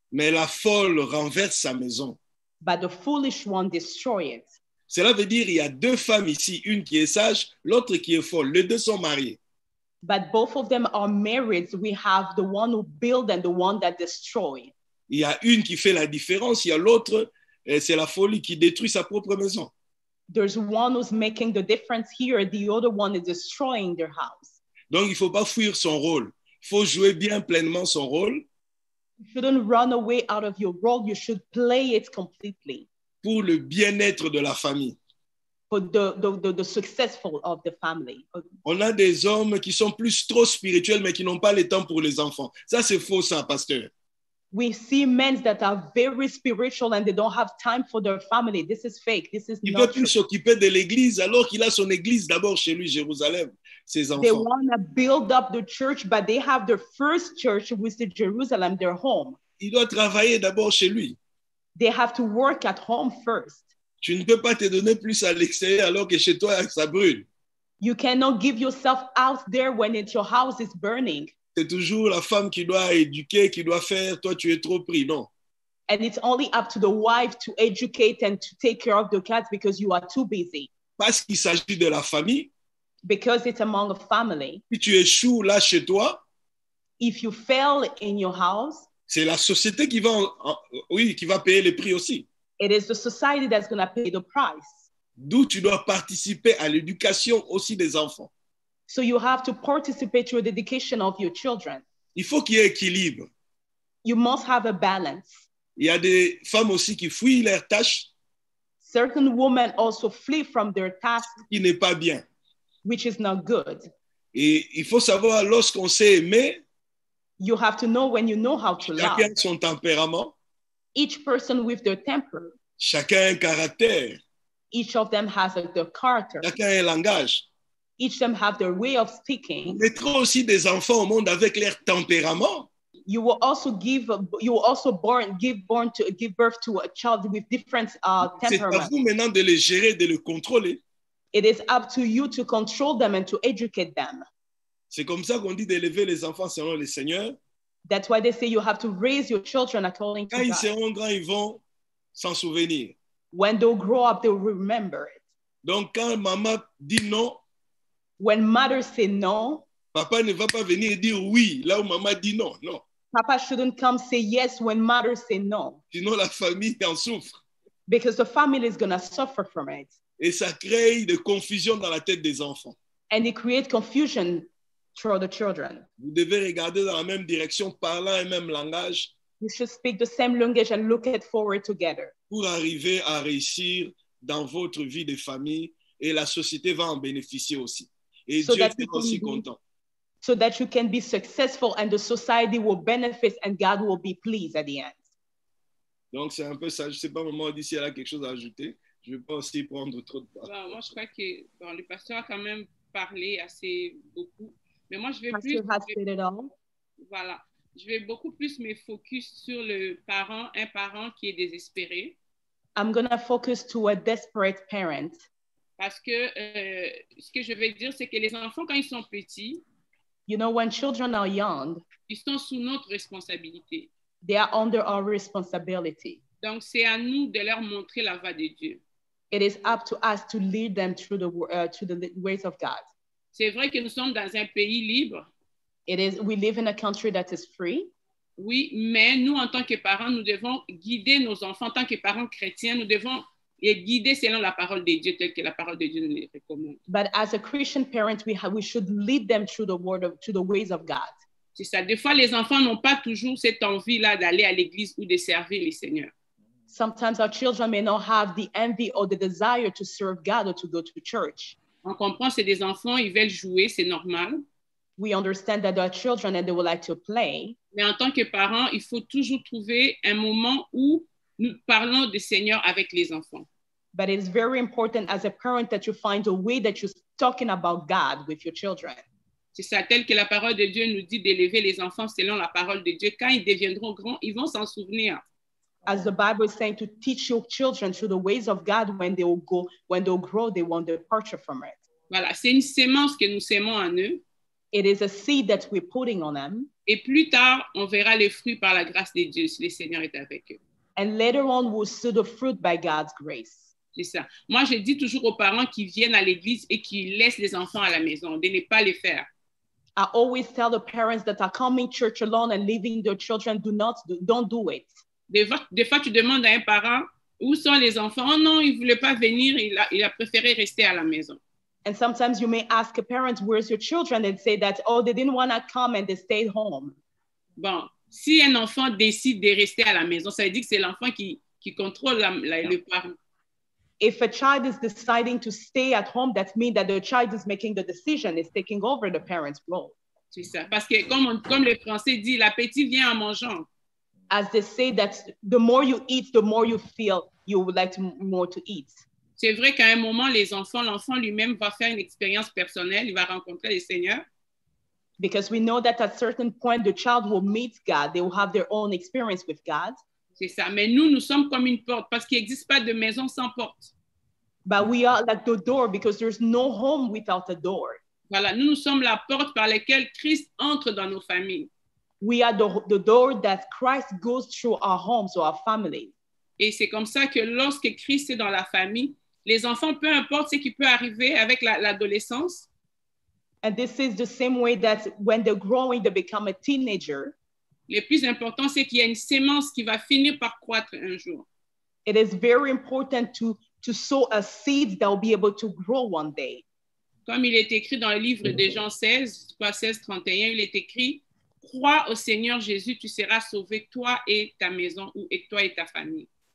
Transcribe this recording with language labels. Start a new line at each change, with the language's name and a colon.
French: Mais la folle renverse sa maison.
English: But the foolish one destroy it.
French: Cela veut dire il y a deux femmes ici, une qui est sage, l'autre qui est folle. Les deux sont mariées.
English: But both of them are married. We have the one who build and the one that destroy.
French: Il y a une qui fait la différence, il y a l'autre, c'est la folie qui détruit sa propre maison.
English: There's one who's making the difference here, the other one is destroying their house.
French: Donc il faut pas fuir son rôle. Il faut jouer bien pleinement son rôle.
English: You shouldn't run away out of your role. You should play it completely.
French: Pour le bien-être de la famille.
English: For the successful of the family.
French: On a des hommes qui sont plus trop spirituels, mais qui n'ont pas le temps pour les enfants. Ça, c'est faux, ça, pasteur.
English: We see men that are very spiritual and they don't have time for their family. This is fake. This is not true.
French: Il peut plus s'occuper de l'église alors qu'il a son église d'abord chez lui, Jérusalem.
English: They want to build up the church, but they have their first church with the Jerusalem, their home.
French: Il doit travailler d'abord chez lui.
English: They have to work at home first.
French: Tu ne peux pas te donner plus à l'extérieur alors que chez toi, ça brûle.
English: You cannot give yourself out there when it's your house is burning.
French: C'est toujours la femme qui doit éduquer, qui doit faire. Toi, tu es trop pris, non?
English: And it's only up to the wife to educate and to take care of the kids because you are too busy.
French: Parce qu'il s'agit de la famille.
English: Because it's among a family.
French: Si tu échoues là chez toi,
English: if you fail in your house,
French: c'est la société qui va payer les prix aussi.
English: It is the society that's going to pay the price.
French: D'où tu dois participer à l'éducation aussi des enfants.
English: So you have to participate through the education of your children.
French: Il faut qu'il y ait équilibre.
English: You must have a balance.
French: Il y a des femmes aussi qui fuient leurs tâches.
English: Certain women also flee from their tasks.
French: Qui n'est pas bien.
English: Which is not good.
French: Et il faut savoir lorsqu'on sait aimer.
English: You have to know when you know how to love.
French: Chacun son tempérament.
English: Each person with their temper.
French: Chacun un caractère.
English: Each of them has their character.
French: Chacun un langage.
English: Each of them have their way of speaking.
French: On mettra aussi des enfants au monde avec leur tempérament.
English: You will also give birth to a child with different temperaments.
French: C'est à vous maintenant de les gérer, de les contrôler.
English: It is up to you to control them and to educate them.
French: C'est comme ça qu'on dit d'élever les enfants selon le Seigneur.
English: That's why they say you have to raise your children according
French: quand
English: to
French: ils
English: God.
French: Seront grands, ils vont s'en souvenir.
English: When they grow up, they'll remember it.
French: Donc quand maman dit non,
English: when mother say no,
French: papa ne va pas venir dire oui là où maman dit non, non.
English: Papa shouldn't come say yes when mother say no.
French: Sinon la famille en souffre.
English: Because the family is going to suffer from it.
French: Et ça crée des confusions dans la tête des enfants.
English: And it creates confusion through the children.
French: Vous devez regarder dans la même direction, parlant un même langage.
English: You should speak the same language and look it forward together.
French: Pour arriver à réussir dans votre vie de famille et la société va en bénéficier aussi. Et so Dieu est aussi content.
English: So that you can be successful and the society will benefit and God will be pleased at the end.
French: Donc c'est un peu ça. Je ne sais pas, maman, d'ici si elle a quelque chose à ajouter. Je ne vais pas aussi prendre trop de temps. Bon, moi, je crois que bon, le pasteur a quand même parlé assez beaucoup. Mais moi, je vais beaucoup plus me focus sur le parent, un parent qui est désespéré.
English: I'm going to focus to a desperate parent.
French: Parce que ce que je vais dire, c'est que les enfants, quand ils sont petits,
English: you know, when children are young,
French: ils sont sous notre responsabilité.
English: They are under our responsibility.
French: Donc, c'est à nous de leur montrer la voie de Dieu.
English: It is up to us to lead them through the ways of God.
French: C'est vrai que nous sommes dans un pays libre.
English: It is, we live in a country that is free.
French: Oui, mais nous, en tant que parents, nous devons guider nos enfants. En tant que parents chrétiens, nous devons les guider selon la parole de Dieu, telle que la parole de Dieu nous les recommande.
English: But as a Christian parent, we should lead them through the word of, to the ways of God.
French: C'est ça. Des fois, les enfants n'ont pas toujours cette envie-là d'aller à l'église ou de servir le Seigneur.
English: Sometimes our children may not have the envy or the desire to serve God or to go to church.
French: On comprend, c'est des enfants, ils veulent jouer, c'est normal.
English: We understand that they are children and they would like to play.
French: Mais en tant que parents, il faut toujours trouver un moment où nous parlons du Seigneur avec les enfants.
English: But it's very important as a parent that you find a way that you're talking about God with your children.
French: C'est ça, tel que la parole de Dieu nous dit d'élever les enfants selon la parole de Dieu. Quand ils deviendront grands, ils vont s'en souvenir.
English: As the Bible is saying, to teach your children through the ways of God when they will go, when they will grow, they won't depart from it.
French: Voilà, c'est une semence que nous sèmons en eux.
English: It is a seed that we're putting on them.
French: Et plus tard, on verra les fruits par la grâce de Dieu, si le Seigneur est avec eux.
English: And later on, we'll see the fruit by God's grace.
French: C'est ça. Moi, je dis toujours aux parents qui viennent à l'église et qui laissent les enfants à la maison, de ne pas les faire.
English: I always tell the parents that are coming to church alone and leaving their children, don't do it.
French: Des fois, tu demandes à un parent, où sont les enfants? Oh non, il ne voulait pas venir, il a préféré rester à la maison.
English: And sometimes you may ask a parent, where's your children? And say that, oh, they didn't want to come and they stayed home.
French: Bon, si un enfant décide de rester à la maison, ça veut dire que c'est l'enfant qui contrôle le parent.
English: If a child is deciding to stay at home, that means that the child is making the decision, is taking over the parent's role.
French: C'est ça, parce que comme le français dit, l'appétit vient en mangeant.
English: As they say that the more you eat, the more you feel you would like more to eat.
French: C'est vrai qu'à un moment, l'enfant lui-même va faire une expérience personnelle, il va rencontrer le Seigneur.
English: Because we know that at a certain point, the child will meet God, they will have their own experience with God.
French: C'est ça, mais nous sommes comme une porte, parce qu'il n'existe pas de maison sans porte.
English: But we are like the door, because there's no home without a door.
French: Voilà, nous sommes la porte par laquelle Christ entre dans nos familles.
English: We are the door that Christ goes through our homes or our family.
French: Et c'est comme ça que lorsque Christ est dans la famille, les enfants, peu importe ce qui peut arriver avec l'adolescence.
English: And this is the same way that when they're growing, they become a teenager.
French: Le plus important, c'est qu'il y a une semence qui va finir par croître un jour.
English: It is very important to sow a seed that will be able to grow one day.
French: Comme il est écrit dans le livre de Jean 16:31, il est écrit, crois au Seigneur Jésus, tu seras sauvé, toi et ta maison, ou et toi et ta famille.